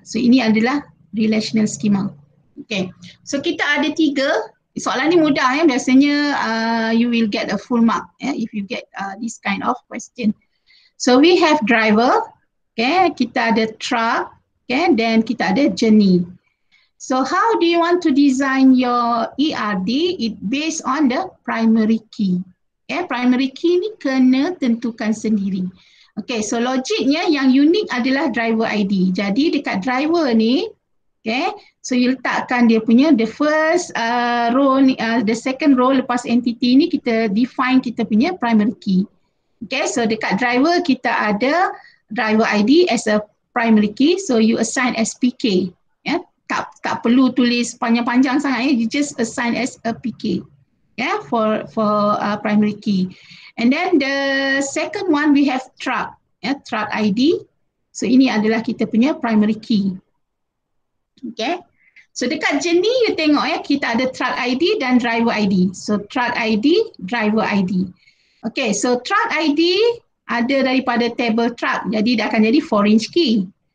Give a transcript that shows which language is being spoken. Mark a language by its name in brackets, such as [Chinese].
[Malay] So ini adalah relational schema. Okay. So kita ada tiga. Soalan ni mudah ya. [English] Biasanya you will get a full mark if you get this kind of question. So we have driver. Okay. [Malay] Kita ada [English] truck. Okay. [Malay] Then kita ada journey. [English] So how do you want to design your ERD? It based on the primary key. Okay. Primary key [Malay] ni kena tentukan sendiri. [English] Okay. [Malay] So logiknya yang unik adalah driver ID. Jadi dekat driver ni, okay, so you letakkan dia punya [English] the first row [Malay] ni, [English] the second row [Malay] lepas entity ni kita define kita punya primary key. [English] Okay, so [Malay] dekat driver kita ada [English] driver ID as a primary key, so you assign as PK. [Malay] Yeah, tak perlu tulis panjang-panjang sangat ya, [English] you just assign as a PK. Yeah, for primary key. And then the second one we have truck. Yeah, truck ID. [Malay] So ini adalah kita punya primary key. Okay, so dekat journey you tengok ya, kita ada truck ID dan driver ID. So truck ID, driver ID. Okay, so truck ID ada daripada table truck, jadi dia akan jadi 4-inch key.